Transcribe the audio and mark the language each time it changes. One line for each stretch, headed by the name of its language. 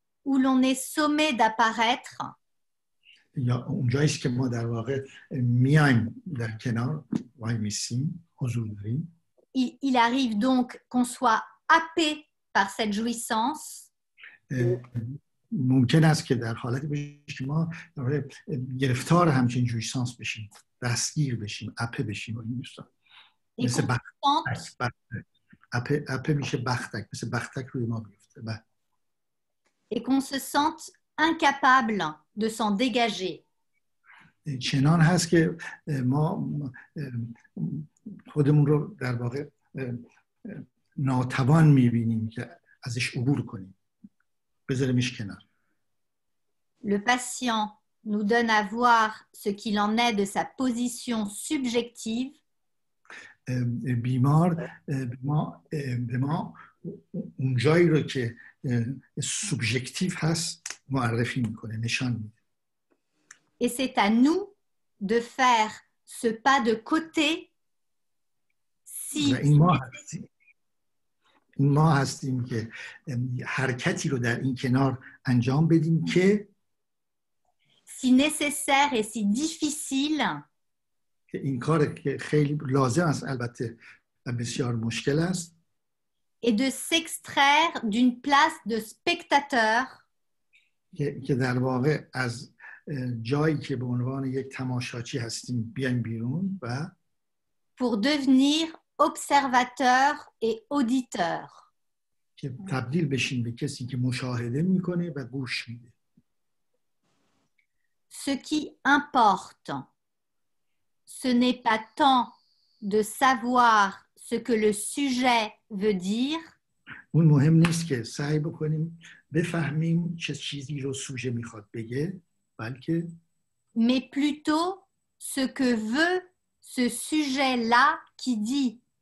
French: où l'on est sommé d'apparaître
Persian: اونجاییست که ما در واقع میایم در کنار وای میسیم حضور داریم
French: il arrive donc qu'on soit happé par cette jouissance
Persian: ممکن است که در حالتی بشیم که ما گرفتار همچین جویسانس بشیم دستگیر بشیم اپه بشیم و این دوستان مثل بختک اپه میشه بختک مثل بختک روی ما بیم
French: Et qu'on se sente incapable de s'en dégager.
Persian: چنان هست که ما خودمون رو در واقع ناتوان می‌بینیم که ازش عبور کنیم. بذاریمش کنار.
French: Le patient nous donne à voir ce qu'il en est de sa position subjective.
Persian: بیمار به ما اون جایی رو که سوبژکتیو هست معرفی میکنه نشان میده
French: et c'est à nous de faire ce pas de côté si
Persian: ما هستیم که حرکتی رو در این کنار انجام بدیم که
French: si nécessaire et si difficile
Persian: که این کار که خیلی لازم است البته بسیار مشکل است
French: et de s'extraire d'une place de spectateur que dans le fond,
Persian: جایی که به عنوان یک تماشاچی هستیم بیایم بیرون و
French: pour devenir observateur et auditeur
Persian: که تبدیل بشیم به کسی که مشاهده میکنه و گوش میده
French: ce qui importe ce n'est pas tant de savoir ce que le sujet veut dire
Persian: اون مهم نیست که سعی بکنیم بفهمیم چه چیزی رو سوژه میخواد بگه
French: Mais plutôt ce que veut ce sujet-là qui dit.